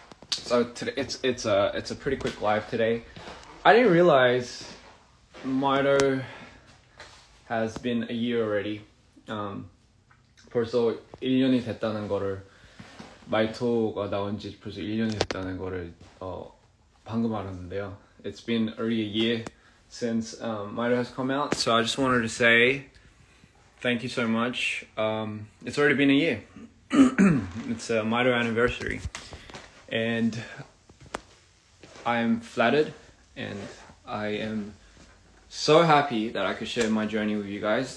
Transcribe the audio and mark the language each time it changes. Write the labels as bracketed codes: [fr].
[en] So today it's a pretty quick live today. I didn't realize Mito has been a year already. [ko] 벌써 1년이 됐다는 거를 마이토가 나온 지 벌써 1년이 됐다는 거를 방금 알았는데요. [en] It's been already a year since Mito has come out. So I just wanted to say thank you so much. It's already been a year. It's a Mito anniversary. And I'm flattered and I am so happy that I could share my journey with you guys.